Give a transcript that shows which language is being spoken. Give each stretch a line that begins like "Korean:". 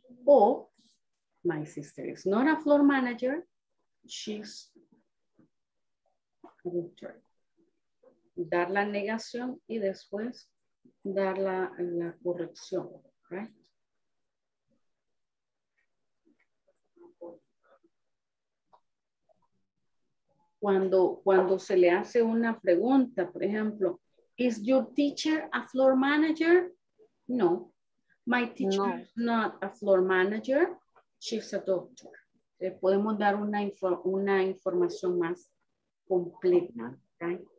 English: O my sister is not a floor manager. She's a doctor.
Spanish: Dar la negación y después dar la corrección, right? Cuando se le hace una pregunta, por ejemplo,
English: is your teacher a floor manager? No, my teacher is not a floor manager. She's a doctor.
Spanish: Le podemos dar una información más completa, right?